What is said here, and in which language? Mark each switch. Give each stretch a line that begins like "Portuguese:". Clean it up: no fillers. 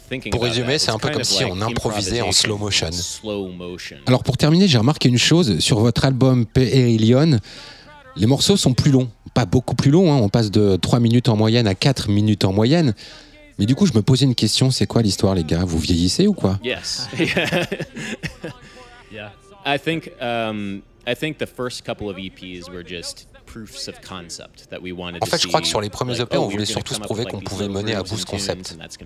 French: Pour résumer, c'est un peu comme si on improvisait en slow motion. Alors pour terminer, j'ai remarqué une chose sur votre album Perillion. Les morceaux sont plus longs, pas beaucoup plus longs, hein. On passe de 3 minutes en moyenne à 4 minutes en moyenne. Mais du coup, je me posais une question, c'est quoi l'histoire, les gars? Vous vieillissez ou quoi?
English: Yes. Yeah. I think the first couple of EPs were just proofs of concept that we wanted to see.
French: En fait, je crois que sur les premiers EP, on voulait surtout se prouver qu'on pouvait mener à bout ce concept.